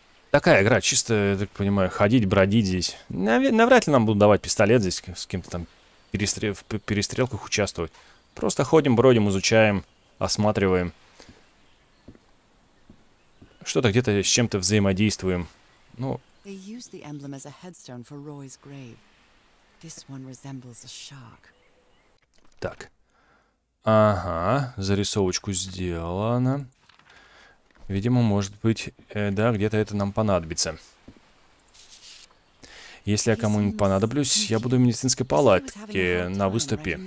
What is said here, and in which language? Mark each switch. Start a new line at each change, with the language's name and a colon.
Russian: Такая игра, чисто, я так понимаю, ходить, бродить здесь. Навряд ли нам будут давать пистолет здесь, с кем-то там в перестрелках участвовать. Просто ходим, бродим, изучаем, осматриваем. Что-то где-то с чем-то взаимодействуем. Ну...
English: They use the emblem as a headstone for Roy's grave. This one resembles a shark.
Russian: Так. Ага, зарисовочку сделана. Видимо, может быть, да, где-то это нам понадобится. Если я кому-нибудь понадоблюсь, я буду в медицинской палатке на выступе.